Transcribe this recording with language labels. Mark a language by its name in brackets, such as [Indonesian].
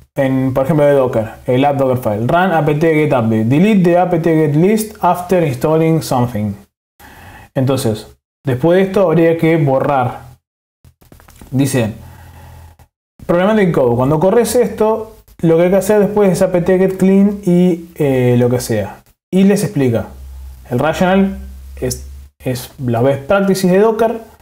[Spanish] Por ejemplo, de Docker, el app Docker file. [English] Run apt-get update. Delete the apt-get list after installing something. [Spanish] Entonces, después de esto habría que borrar. Dice, problema de encode. Cuando corres esto, lo que hay que hacer después es apt-get clean y lo que sea. Y les explica. El rational es la [English] best practices [Spanish] de Docker.